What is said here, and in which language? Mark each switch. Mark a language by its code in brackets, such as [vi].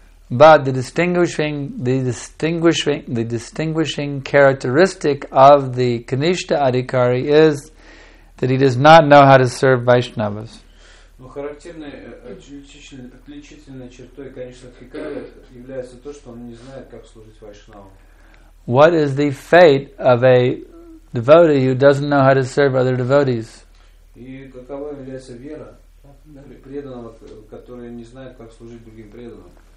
[en] But the distinguishing characteristic of the Kanishta Adhikari is that he does not know how to serve Vaishnavas. [ru] Но характерной отличительной чертой Kanishta Adhikari является то, что он не знает, как служить Вайшнавам. [en] What is the fate of a devotee who doesn't know how to serve other devotees? [ru] И какова является вера преданного, который не знает, как служить другим преданным?